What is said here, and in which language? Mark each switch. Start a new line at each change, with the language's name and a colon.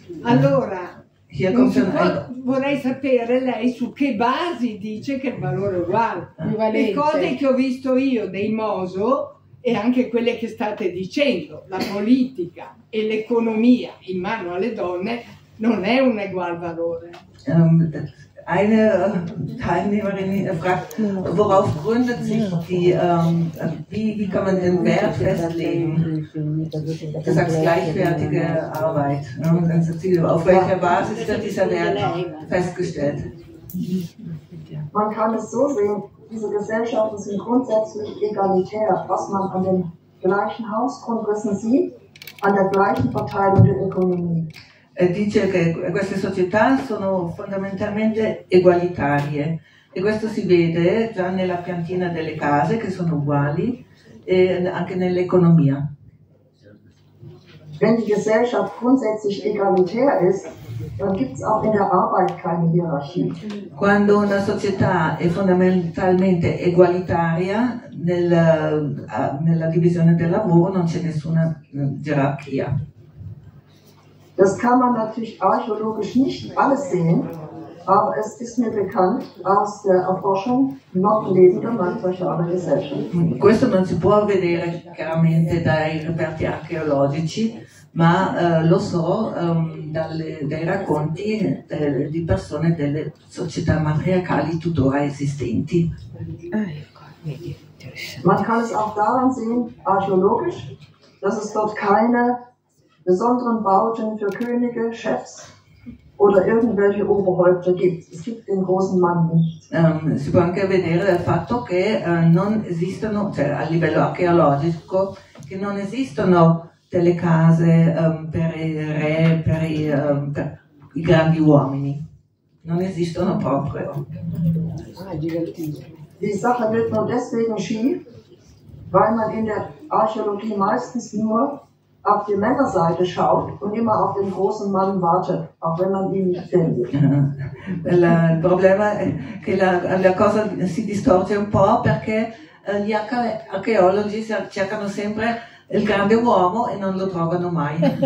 Italian: Allora, vorrei sapere lei su che basi dice che il valore è uguale. Le cose che ho visto io dei Moso e anche quelle che state dicendo, la politica e l'economia in mano alle donne, non è un egual valore.
German: Eine Teilnehmerin fragt, worauf gründet sich die, wie kann man den Wert festlegen? Du sagst gleichwertige Arbeit. Auf welcher Basis wird dieser Wert festgestellt? Man kann es so sehen, diese Gesellschaften sind grundsätzlich egalitär, was man an den gleichen Hausgrundrissen sieht, an der gleichen Verteilung der Ökonomie.
Italian: Dice che queste società sono fondamentalmente egualitarie e questo si vede già nella piantina delle case che sono uguali e anche nell'economia.
German: Wenn die Gesellschaft grundsätzlich egalitär ist, dann gibt's auch in der Arbeit keine Hierarchie.
Italian: Quando una società è fondamentalmente egualitaria, nella divisione del lavoro non c'è nessuna gerarchia.
German: Das kann man natürlich archäologisch nicht alles sehen, aber es ist mir bekannt aus der Erforschung noch lebender matriarchale Gesellschaften.
Italian: Questo non si può vedere chiaramente dai reperti archeologici, ma lo so dai racconti di persone delle società matriarcali tuttora esistenti.
German: Man kann es auch daran sehen, archeologisch, dass es dort keine besonderen Bauten für Könige, Chefs oder irgendwelche Oberhäupter gibt. Es gibt den großen Mann nicht.
Italian: Si può anche vedere il fatto che non esistono, cioè a livello archeologico, che non esistono delle case per i re, per i grandi uomini. Non esistono proprio.
German: Die Sache wird nur deswegen schief, weil man in der Archäologie meistens nur auf die Männerseite schaut und immer auf den großen Mann wartet, auch wenn man ihn nicht findet.
Italian: Il problema è che la cosa si distorce un po' perché gli archeologi cercano sempre il grande uomo e non lo trovano mai.